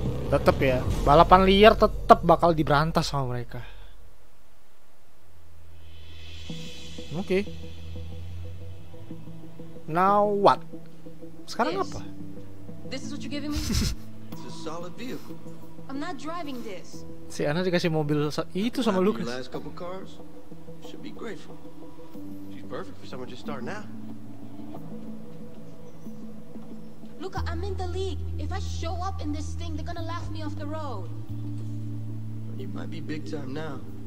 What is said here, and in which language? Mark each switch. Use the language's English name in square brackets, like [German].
[Indonesian] Tetap ya, balapan liar tetap bakal diberantas sama mereka. [English] Okay. Now what? Sekarang this, [Indonesian] apa? [English] This is what you're giving me? It's a solid vehicle. I'm not driving this. [Indonesian] Si Anna dikasih mobil itu sama Lucas. [English] Last couple cars. Should be grateful. She's perfect for someone just starting out. Luca, I'm in the league. If I show up in this thing, they're gonna laugh me off the road. You might be big time now.